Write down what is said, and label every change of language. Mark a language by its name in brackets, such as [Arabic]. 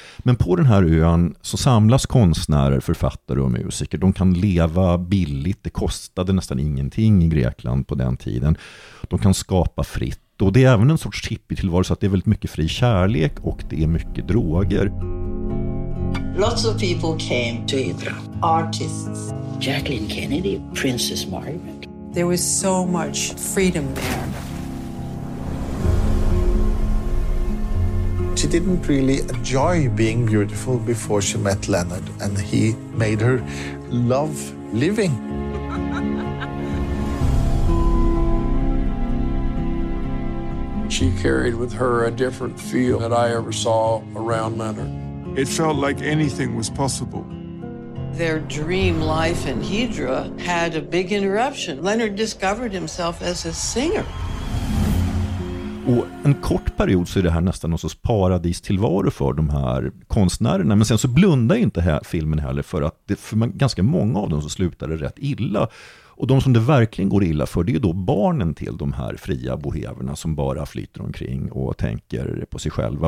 [Swedish] Men på den här ön så samlas konstnärer, författare och musiker. De kan leva billigt, det kostade nästan ingenting i Grekland på den tiden. De kan skapa fritt och det är även en sorts hippietillvaro, så att det är väldigt mycket fri kärlek och det är mycket droger. [English] Lots of people came to Hydra. Artists. Jacqueline Kennedy, Princess Margaret. There was so much freedom there. She didn't really enjoy being beautiful before she met Leonard, and he made her love living. She carried with her a different feel that I ever saw around Leonard. It felt like anything was possible. Their dream life in Hydra had a big interruption. Leonard discovered himself as a singer. [Swedish] Och en kort period så är det här nästan någon sorts paradis tillvaro för de här konstnärerna. Men sen så blundar inte filmen heller för att det, för ganska många av dem så slutade rätt illa. Och de som det verkligen går illa för, det är då barnen till de här fria boheverna som bara flyter omkring och tänker på sig själva.